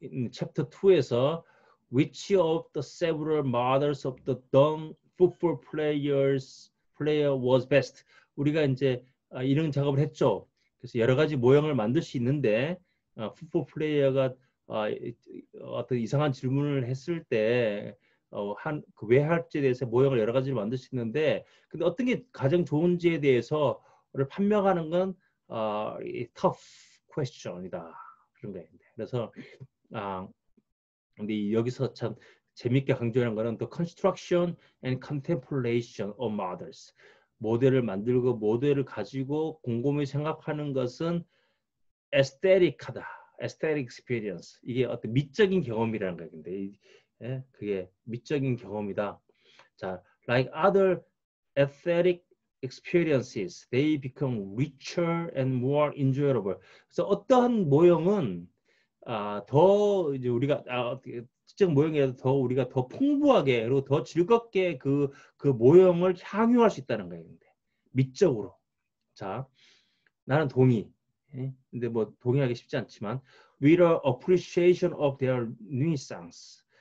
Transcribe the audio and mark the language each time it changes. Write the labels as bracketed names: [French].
[English] chapter 2에서 which of the several models of the dumb football player was best. [Korean] 우리가 이제 이런 작업을 했죠. 그래서 여러 가지 모형을 만들 수 있는데 풋볼 플레이어가 어떤 이상한 질문을 했을 때 한, 그왜 할지에 대해서 모형을 여러 가지를 만들 수 있는데 근데 어떤 게 가장 좋은지에 대해서 를 판명하는 건 [English] tough question [Korean] 이다 그런 거예요. 그래서 근데 여기서 참 재밌게 강조하는 거는 [English] the construction and contemplation of models. [Korean] 모델을 만들고 모델을 가지고 곰곰이 생각하는 것은 aesthetic하다. [English] aesthetic experience. [Korean] 이게 어떤 미적인 경험이라는 거예요. 근데 예, 그게 미적인 경험이다. [English] 자, like other aesthetic experiences, they become richer and more enjoyable. [Korean] 그래서 어떠한 모형은 더 이제 우리가 특정 모형에서 더 우리가 더 풍부하게 그리고 더 즐겁게 그 모형을 향유할 수 있다는 거예요. 미적으로. 자, 나는 동의. 예? 근데 뭐 동의하기 쉽지 않지만, [English] with a appreciation of their nuance.